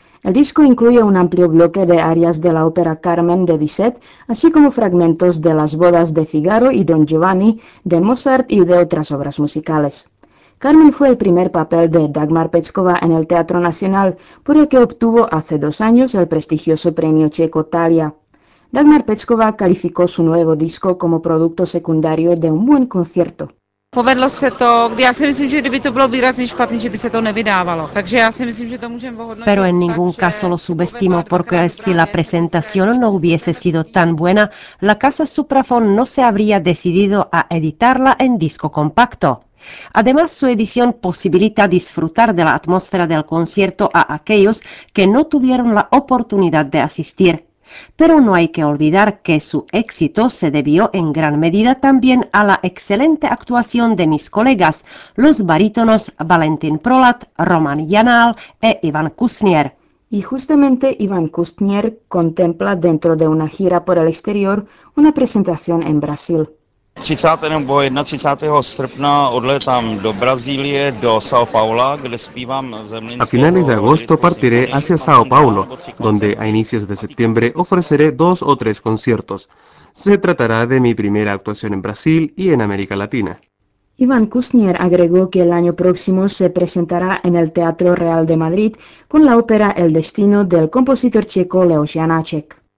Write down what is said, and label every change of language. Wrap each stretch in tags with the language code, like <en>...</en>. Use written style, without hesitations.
<es>El disco incluye un amplio bloque de arias de la ópera Carmen de Bizet, así como fragmentos de las bodas de Figaro y Don Giovanni, de Mozart y de otras obras musicales. Carmen fue el primer papel de Dagmar Peckova en el Teatro Nacional, por el que obtuvo hace 2 años el prestigioso premio checo Thalia. Dagmar Peckova calificó su nuevo disco como producto secundario de un buen concierto.</es> <cs>Povedlo se to, ya si myslím, že kdyby to bylo výrazně špatný, že by se to nevydávalo. Takže ya si myslím, že to můžeme ohodnotit.</cs> <es>Pero en ningún caso lo subestimo, porque si la presentación no hubiese sido tan buena, la casa Supraphon no se habría decidido a editarla en disco compacto. Además, su edición posibilita disfrutar de la atmósfera del concierto a aquellos que no tuvieron la oportunidad de asistir. Pero no hay que olvidar que su éxito se debió en gran medida también a la excelente actuación de mis colegas, los barítonos Valentín Prolat, Román Janál e Iván Kusnier. Y justamente Iván Kusnier contempla dentro de una gira por el exterior una presentación en Brasil.</es> <cs>31. srpna odletám do Brazílie, do São Paulo, kde zpívám zemlinskou.</cs> <es>A finales de agosto partiré hacia São Paulo, donde a inicios de septiembre ofreceré 2 o 3 conciertos. Se tratará de mi primera actuación en Brasil y en América Latina. Iván Kusnier agregó que el año próximo se presentará en el Teatro Real de Madrid con la ópera El Destino del compositor checo Leoš Janáček.</es>